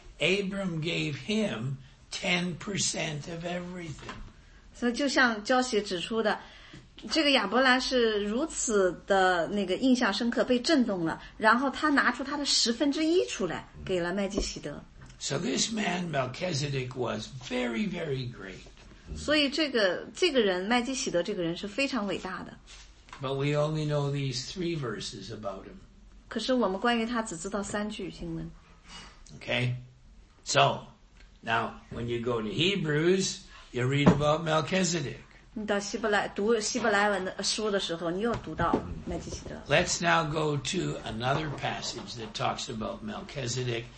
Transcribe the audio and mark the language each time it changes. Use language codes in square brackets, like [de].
[en] Abram gave him 10% of everything. [zh] 所以就像教学指出的，这个亚伯兰是如此的那个印象深刻，被震动了，然后他拿出他的十分之一出来给了麦基喜德。 [en] So this man Melchizedek was very, very great. [zh] 所以这个人麦基喜德这个人是非常伟大的。 [en] But we only know these three verses about him. [zh] 可是我们关于他只知道三句经文。 [en] Okay, so now when you go to Hebrews, you read about Melchizedek. [zh] 你到希伯来读希伯来文的书的时候，你又读到麦基喜德。 [en] Let's now go to another passage that talks about Melchizedek.